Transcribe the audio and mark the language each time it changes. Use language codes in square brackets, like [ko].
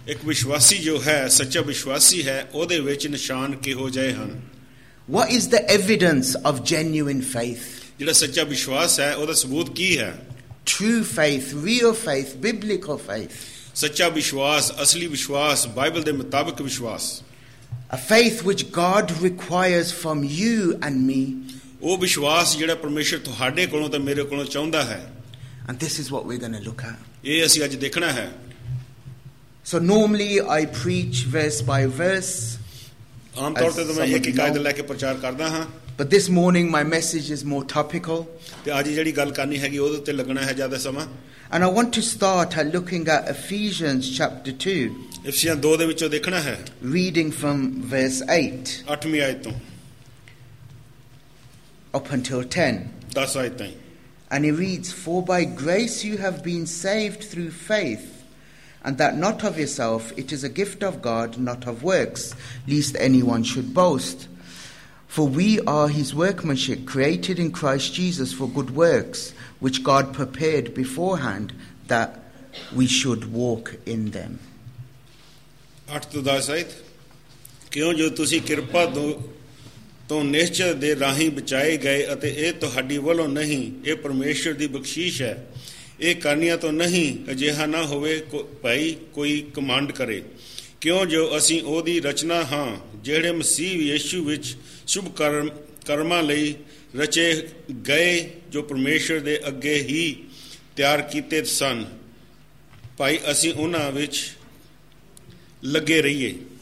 [pa] ਇੱਕ ਵਿਸ਼ਵਾਸੀ ਜੋ ਹੈ, ਸੱਚਾ ਵਿਸ਼ਵਾਸੀ ਹੈ, ਉਹਦੇ ਵਿੱਚ ਨਿਸ਼ਾਨ ਕਿਹੋ ਜਿਹੇ ਹਨ? [en] What is the evidence of genuine faith? [pa] ਜਿਹੜਾ ਸੱਚਾ ਵਿਸ਼ਵਾਸ ਹੈ ਉਹਦਾ ਸਬੂਤ ਕੀ ਹੈ? [en] True faith, real faith, biblical faith. [pa] ਸੱਚਾ ਵਿਸ਼ਵਾਸ, ਅਸਲੀ ਵਿਸ਼ਵਾਸ, ਬਾਈਬਲ ਦੇ ਮੁਤਾਬਕ ਵਿਸ਼ਵਾਸ. [en] A faith which God requires from you and me. [pa] ਉਹ ਵਿਸ਼ਵਾਸ ਜਿਹੜਾ ਪਰਮੇਸ਼ਰ ਤੁਹਾਡੇ ਕੋਲੋਂ ਤੇ ਮੇਰੇ ਕੋਲੋਂ ਚਾਹੁੰਦਾ ਹੈ. [en] And this is what we're going to look at. [pa] ਇਹ ਅਸੀਂ ਅੱਜ ਦੇਖਣਾ ਹੈ. [en] So normally I preach verse by verse. [pa] ਆਮ ਤੌਰ ਤੇ ਮੈਂ ਇੱਕ ਕਾਇਦ ਲੈ ਕੇ ਪ੍ਰਚਾਰ ਕਰਦਾ ਹਾਂ. [en] But this morning my message is more topical. [pa] ਤੇ ਅੱਜ ਜਿਹੜੀ ਗੱਲ ਕਰਨੀ ਹੈਗੀ ਉਹਦੇ ਉੱਤੇ ਲੱਗਣਾ ਹੈ ਜ਼ਿਆਦਾ ਸਮਾਂ. [en] And I want to start by looking at Ephesians chapter 2. [pa] ਇਫਸੀਆਂ 2 ਦੇ ਵਿੱਚੋਂ ਦੇਖਣਾ ਹੈ. [en] Reading from verse 8. [pa] 8ਵੀਂ ਆਇਤ ਤੋਂ. [en] Up until 10. [pa] 10 ਆਇਤ ਤਾਈਂ. [en] And it reads, "For by grace you have been saved through faith, and that not of yourself, it is a gift of God, not of works, lest anyone should boast. For we are his workmanship, created in Christ Jesus for good works, which God prepared beforehand that we should walk in them." [pa] 8 ਤੋਂ 10 ਆਇਤ. ਕਿਉਂ ਜੋ ਤੁਸੀਂ ਕਿਰਪਾ ਤੋਂ ਨਿਸ਼ਚੈ ਦੇ ਰਾਹੀਂ ਬਚਾਏ ਗਏ, ਅਤੇ ਇਹ ਤੁਹਾਡੀ ਵੱਲੋਂ ਨਹੀਂ, ਇਹ ਪਰਮੇਸ਼ੁਰ ਦੀ ਬਖਸ਼ਿਸ਼ ਹੈ, ਇਹ ਕਰਨੀਆਂ ਤੋਂ ਨਹੀਂ, ਅਜਿਹਾ ਨਾ ਹੋਵੇ ਭਾਈ ਕੋਈ ਕਮਾਂਡ ਕਰੇ, ਕਿਉਂ ਜੋ ਅਸੀਂ ਉਹਦੀ ਰਚਨਾ ਹਾਂ, ਜਿਹੜੇ ਮਸੀਹ ਯੇਸ਼ੂ ਵਿੱਚ ਸ਼ੁਭ ਕਰਮਾਂ ਲਈ ਰਚੇ ਗਏ, ਜੋ ਪਰਮੇਸ਼ੁਰ ਦੇ ਅੱਗੇ ਹੀ ਤਿਆਰ ਕੀਤੇ ਸਨ, ਭਾਈ ਅਸੀਂ ਉਹਨਾਂ ਵਿੱਚ ਲੱਗੇ ਰਹੀਏ।